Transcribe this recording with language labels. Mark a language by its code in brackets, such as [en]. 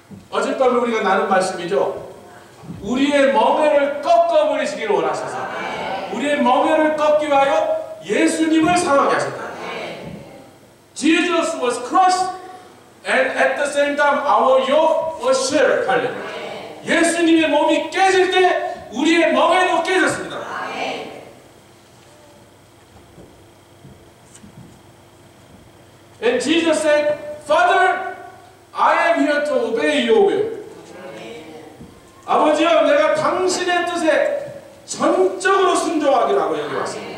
[ko] 어젯밤에 우리가 나눈 말씀이죠. 우리의 멍에를 꺾어버리시기를 원하셔서 우리의 멍에를 꺾기 위하여 예수님을 사랑하게 하셨다. [en] Jesus was crushed and at the same time our yoke was shattered. Hallelujah. [ko] 예수님의 몸이 깨질 때 우리의 멍에도 깨졌습니다. 아멘. [en] And Jesus said, Father, I am here to obey your will. [ko] 아멘. 아버지여, 내가 당신의 뜻에 전적으로 순종하기라고 여기 왔습니다.